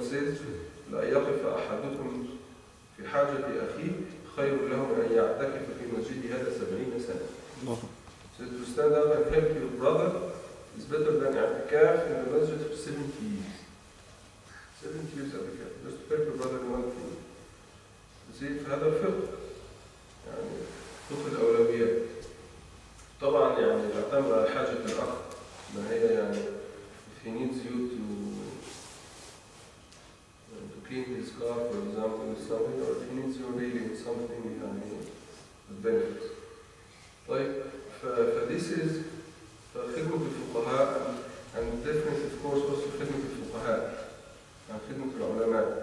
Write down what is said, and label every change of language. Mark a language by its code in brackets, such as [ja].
[ar] says, لَا يَقِفَ أَحَدُكُمْ فِي حَاجَةِ أَخِيهِ خَيْرُ لَهُمْ أَنْ يَعْتَكِفَ فِي مَسْجِدِ هَذَا 70 سَنَةً. [en] So to stand up and help your brother is better than i'tikaf in a masjid for 70 years. 70 years of i'tikaf, just to help your brother in one thing. You see, [ar] فهذا الفقه. يعني فقه الأولوية. طبعا يعني يعتمد على حاجة الأخ. ما هي يعني [en] if he needs you to clean his car for example or something, or if he needs you really in something, you can mean the benefits. طيب this is [ar] خدمة الفقهاء [en] and definitely of course also خدمة الفقهاء and [ar] خدمة العلماء.